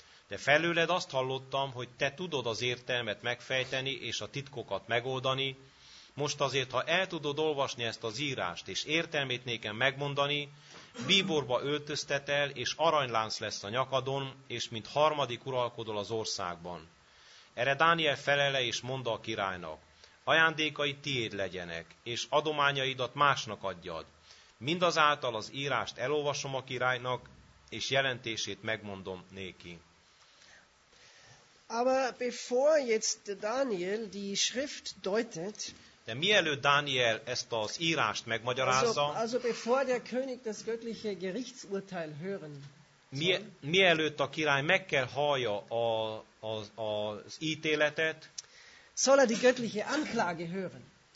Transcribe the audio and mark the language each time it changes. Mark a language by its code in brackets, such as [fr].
[hu] De felőled azt hallottam, hogy te tudod az értelmet megfejteni és a titkokat megoldani, most azért, ha el tudod olvasni ezt az írást és értelmét nékem megmondani, bíborba öltöztetel és aranylánc lesz a nyakadon, és mint harmadik uralkodol az országban. Erre Dániel felele és mondta a királynak, ajándékai tiéd legyenek, és adományaidat másnak adjad. Mindazáltal az írást elolvasom a királynak, és jelentését megmondom néki. [de] Aber bevor jetzt Daniel die Schrift deutet, [hu] de mielőtt Dániel ezt az írást megmagyarázza, [de] also bevor der König das göttliche Gerichtsurteil hören, [hu] mielőtt a király meg kell hallja az ítéletet, [de] soll er die göttliche Anklage hören.